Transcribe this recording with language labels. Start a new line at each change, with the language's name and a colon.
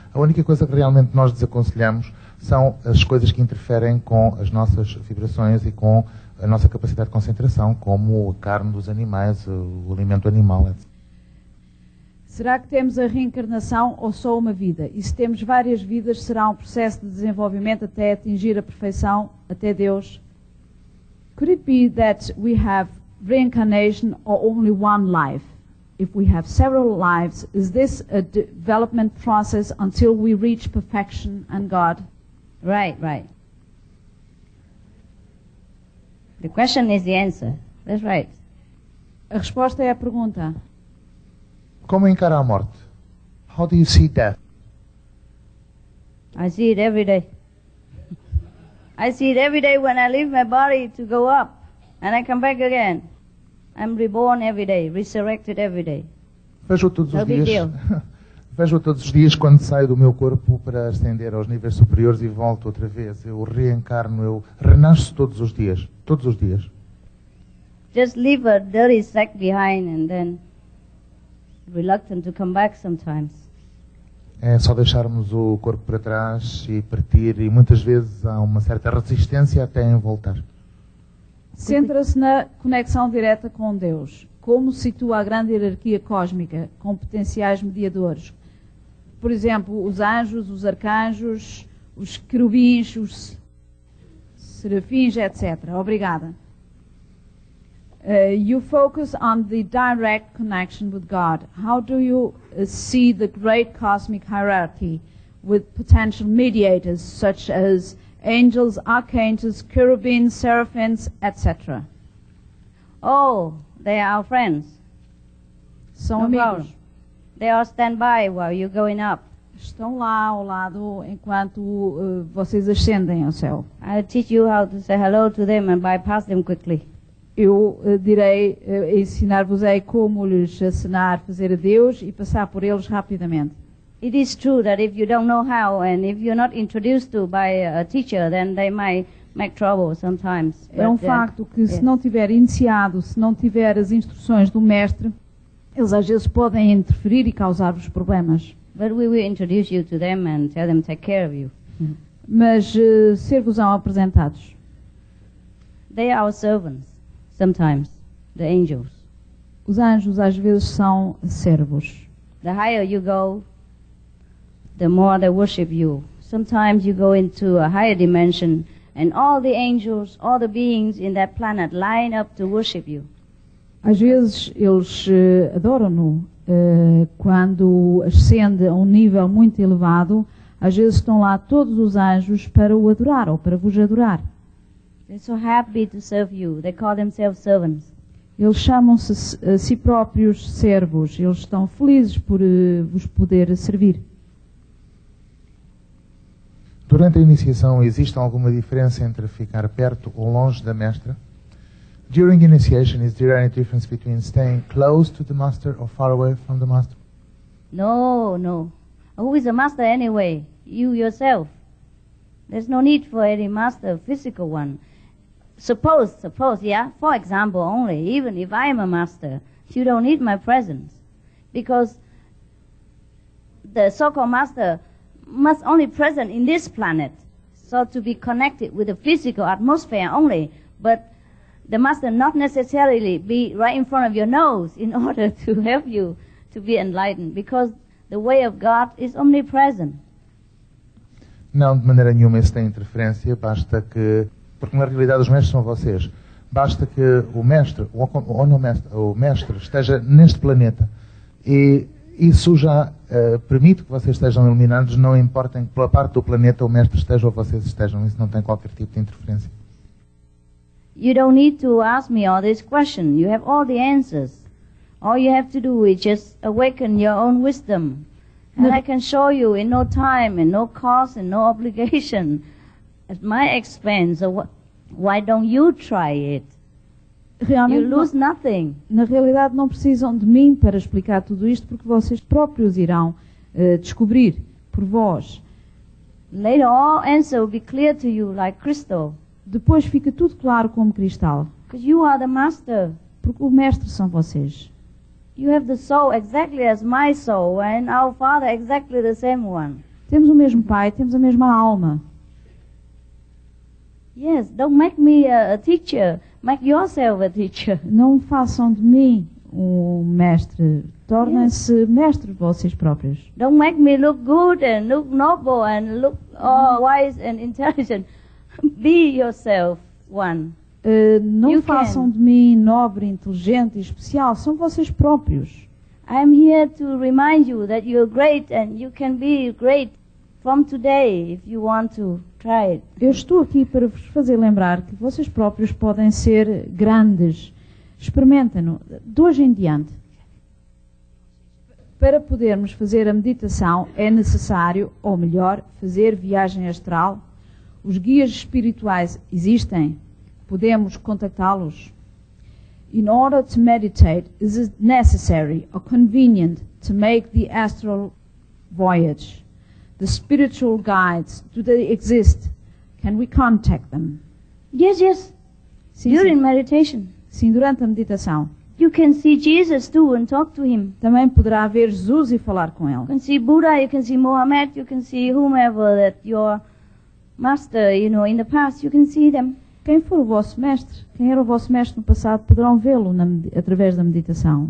Portuguese: A única coisa que realmente nós desaconselhamos são as coisas que interferem com as nossas vibrações e com a nossa capacidade de concentração, como a carne dos animais, o alimento animal. Será que temos a reencarnação ou só uma vida? E se temos várias vidas, será um processo de desenvolvimento até atingir a perfeição, até Deus?
English: Could it be that we have reincarnation or only one life? If we have several lives, is this a development process until we reach perfection and God? Right, right. The question is the answer. That's right.
Portuguese: A resposta é a pergunta. Como encara a morte?
English: How do you see death? I see it every day. I see it every day when I leave my body to go up and I come back again. I'm reborn every day, resurrected every day.
Portuguese: Vejo todos os dias quando saio do meu corpo para ascender aos níveis superiores e volto outra vez. Eu reencarno, eu renasço todos os dias. Todos os dias.
English: Just leave a dirty sack behind and then reluctant to come back sometimes.
Portuguese: É só deixarmos o corpo para trás e partir e muitas vezes há uma certa resistência até em voltar. Centra-se na conexão direta com Deus. Como situa a grande hierarquia cósmica com potenciais mediadores? Por exemplo, os anjos, os arcanjos, os querubins, os serafins, etc. Obrigada.
English: You focus on the direct connection with God. How do you see the great cosmic hierarchy with potential mediators such as angels, archangels, cherubins, seraphims, etc.? Oh, they are our friends.
Portuguese: São no amigos. Problem.
English: They all stand by while you're going up.
Portuguese: Estão lá ao lado enquanto vocês ascendem ao céu.
English: I'll teach you how to say hello to them and bypass them quickly.
Portuguese: Eu direi, ensinar-vos-ei como lhes acenar, fazer adeus e passar por eles rapidamente.
English: It is true that if you don't know how and if you're not introduced to by a teacher, then they might make trouble sometimes.
Portuguese: É um facto que se não tiver iniciado, se não tiver as instruções do mestre, eles às vezes podem interferir e causar-vos problemas.
English: But we will introduce you to them and tell them to take care of you.
Portuguese: Mas ser-vos-ão apresentados.
English: They are our servants. Sometimes, the angels.
Portuguese: Os anjos às vezes são servos.
English: The higher you go, the more they worship you. Sometimes you go into a higher dimension and all the angels, all the beings in that planet line up to worship you.
Portuguese: Às vezes eles adoram-no. Quando ascende a um nível muito elevado, às vezes estão lá todos os anjos para o adorar ou para vos adorar.
English: They're so happy to serve you. They call themselves servants.
Portuguese: Eles chamam-se a si próprios servos. Eles estão felizes por vos poder servir. Durante a iniciação, existe alguma diferença entre ficar perto ou longe da mestra?
English: During initiation, is there any difference between staying close to the master or far away from the master? No. Who is a master anyway? You yourself. There's no need for any master, physical one. Suppose, yeah? For example only, even if I am a master, you don't need my presence. Because the so-called master must only present in this planet, so to be connected with the physical atmosphere only, but the master not necessarily be right in front of your nose in order to help you to be enlightened, because the way of God is omnipresent.
Portuguese: Não, de maneira nenhuma isso tem interferência, basta que... Porque na realidade os mestres são vocês. Basta que o mestre, o mestre esteja neste planeta. E isso já permite que vocês estejam iluminados, não importa em que parte do planeta o mestre esteja ou vocês estejam. Isso não tem qualquer tipo de interferência.
English: You don't need to ask me all this question. You have all the answers. All you have to do is just awaken your own wisdom. And I can show you in no time, and no cost, and no obligation, at my expense, why don't you try it?
Portuguese: Realmente,
English: you lose nothing.
Portuguese: Na realidade, não precisam de mim para explicar tudo isto, porque vocês próprios irão descobrir por vós.
English: Later, all answer will be clear to you like crystal.
Portuguese: Depois fica tudo claro como cristal.
English: Because you are the master.
Portuguese: Porque o mestre são vocês.
English: You have the soul exactly as my soul and our father exactly the same one.
Portuguese: Temos o mesmo pai, temos a mesma alma.
English: Yes, don't make me a teacher. Make yourself a teacher.
Portuguese: Não façam de mim um mestre. Tornem-se mestres vocês próprios.
English: Don't make me look good and look noble and look wise and intelligent. Be yourself one.
Portuguese: Não façam de mim nobre, inteligente e especial. São vocês próprios.
English: I'm here to remind you that you're great and you can be great from today if you want to try it.
Portuguese: Eu estou aqui para vos fazer lembrar que vocês próprios podem ser grandes. Experimentem-no de hoje em diante. Para podermos fazer a meditação é necessário, ou melhor, fazer viagem astral. Os guias espirituais existem. Podemos contactá-los.
English: In order to meditate, is it necessary or convenient to make the astral voyage? The spiritual guides, do they exist? Can we contact them? Yes, yes.
Portuguese: Sim,
English: during
Portuguese: sim.
English: Meditation.
Portuguese: Sim, durante a meditação.
English: You can see Jesus too and talk to him.
Portuguese: Também poderá ver Jesus e falar com ele.
English: You can see Buddha, you can see Mohammed, you can see whomever that your master, you know, in the past, you can see them.
Portuguese: Quem for o vosso mestre, quem era o vosso mestre no passado, poderão vê-lo através da meditação.